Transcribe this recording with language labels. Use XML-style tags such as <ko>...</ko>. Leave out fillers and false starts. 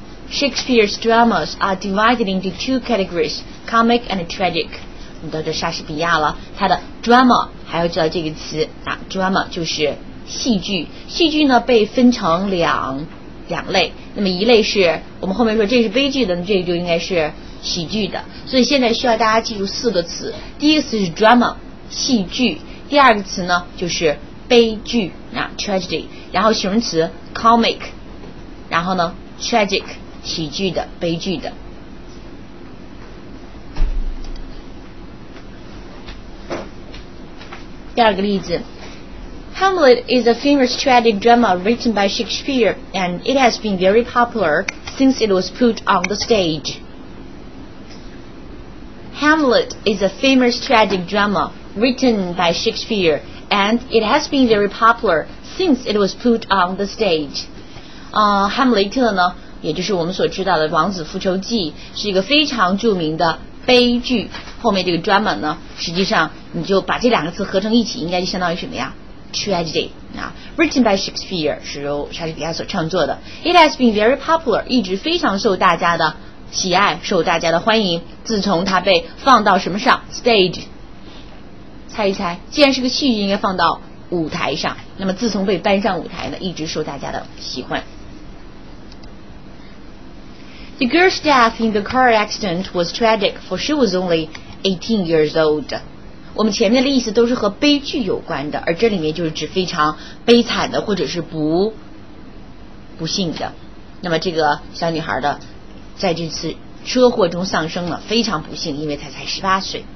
<en>Shakespeare's dramas are divided into two categories， comic and tragic。</en> <zh>我们到这莎士比亚了，他的 drama 还要知道这个词啊 ，drama 就是戏剧，戏剧呢被分成两类，那么一类是我们后面说这是悲剧的，这个就应该是喜剧的。所以现在需要大家记住四个词，第一个词是 drama 戏剧，第二个词呢就是悲剧啊 tragedy， 然后形容词 comic， 然后呢 tragic 喜剧的悲剧的。第二个例子。</zh> <en>Hamlet is a famous tragic drama written by Shakespeare, and it has been very popular since it was put on the stage. Hamlet is a famous tragic drama written by Shakespeare, and it has been very popular since it was put on the stage.</en> <zh>哈姆雷特呢，也就是我们所知道的《王子复仇记》，是一个非常著名的悲剧。后面这个 drama 呢，实际上你就把这两个词合成一起，应该就相当于什么呀？ Tragedy 啊 ，</zh> <en>written by Shakespeare</en> <zh>是由莎士比亚所创作的。</zh> <en>It has been very popular，</en> <zh>一直非常受大家的喜爱，受大家的欢迎。自从它被放到什么上 ？Stage。猜一猜，既然是个戏剧，应该放到舞台上。那么自从被搬上舞台呢，一直受大家的喜欢。</zh> <en>The girl's death in the car accident was tragic, for she was only 18 years old.</en> <zh>我们前面的意思都是和悲剧有关的，而这里面就是指非常悲惨的或者是不幸的。那么这个小女孩的在这次车祸中丧生了，非常不幸，因为她才18岁。</zh>